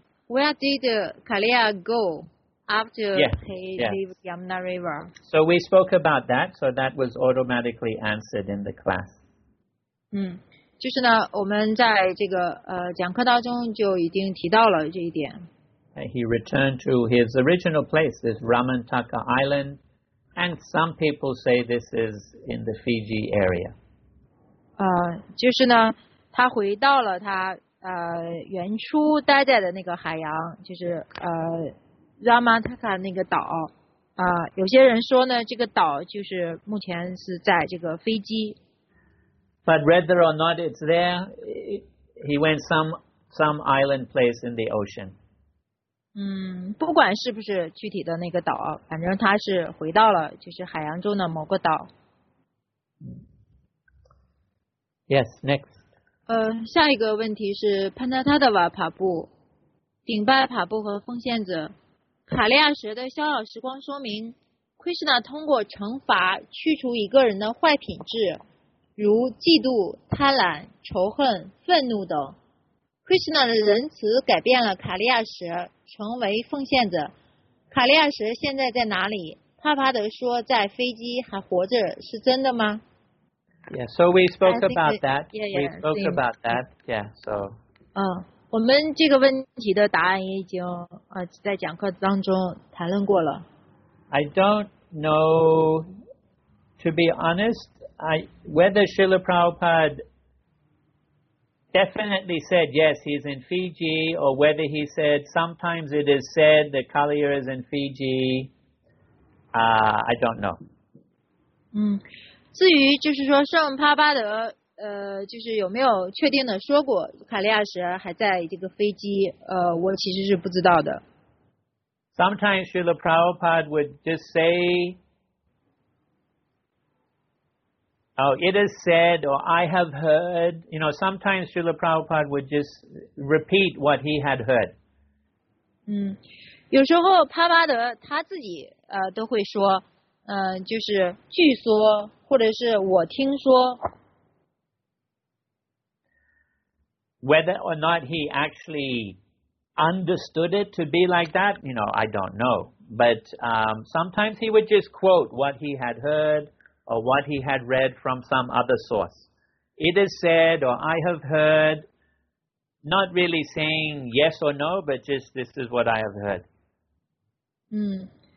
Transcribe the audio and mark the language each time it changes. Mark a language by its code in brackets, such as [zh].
[en] Where did Kaliya go after he left Yamuna River? So we spoke about that. So that was automatically answered in the class. [zh] 就是呢，我们在这个讲课当中就已经提到了这一点。 [en] He returned to his original place, this Ramantaka Island, and some people say this is in the Fiji area. [zh] 就是呢，他回到了他原初待在的那个海洋，就是Ramantaka 那个岛。有些人说呢，这个岛就是目前是在这个飞机。 [en] But whether or not it's there, he went some island place in the ocean. [zh] 不管是不是具体的那个岛，反正他是回到了就是海洋中的某个岛。 [en] Yes, next. [zh] 下一个问题是潘达塔德瓦帕布、顶拜帕布和奉献者卡利亚什的逍遥时光说明，奎什纳通过惩罚去除一个人的坏品质。如嫉妒、贪婪、仇恨、愤怒等 ，Krishna 的仁慈改变了卡利亚什，成为奉献者。卡利亚什现在在哪里？帕帕德说在飞机还活着，是真的吗 [en] ？Yeah, so we spoke about that. Yeah, yeah, we spoke about that. Yeah, so. [zh] 我们这个问题的答案也已经在讲课当中谈论过了。 [en] I don't know, to be honest. Whether Srila Prabhupada definitely said yes, he's in Fiji, or whether he said sometimes it is said that Kaliya is in Fiji, I don't know. [zh] 至于就是说圣帕巴德就是有没有确定的说过卡利亚什还在这个飞机我其实是不知道的。 [en] Sometimes Srila Prabhupada would just say,Oh, it is said, or I have heard, you know, sometimes Srila Prabhupada would just repeat what he had heard. [zh] 有时候帕巴德他自己都会说就是据说或者是我听说。 [en] Whether or not he actually understood it to be like that, you know, I don't know. But sometimes he would just quote what he had heard. Or what he had read from some other source. It is said, or I have heard, not really saying yes or no, but just this is what I have heard.